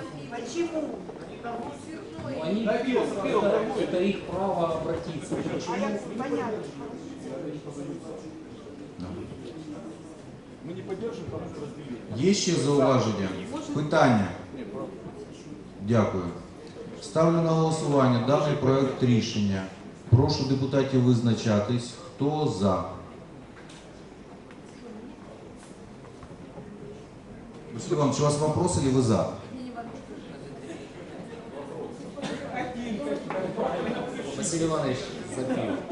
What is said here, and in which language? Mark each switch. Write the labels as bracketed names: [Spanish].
[Russian] Почему? Ну, они, да, это их право обратиться. Почему? Понятно. Мы не поддержим, потому что разбили. Есть еще [Ukrainian] зауваження? Питання? Дякую. Ставлю на голосування даний проект рішення. Прошу депутатів визначатись, хто за. [Russian] Василий Иванович, у вас вопрос или вы за? Василий Иванович, за пиво.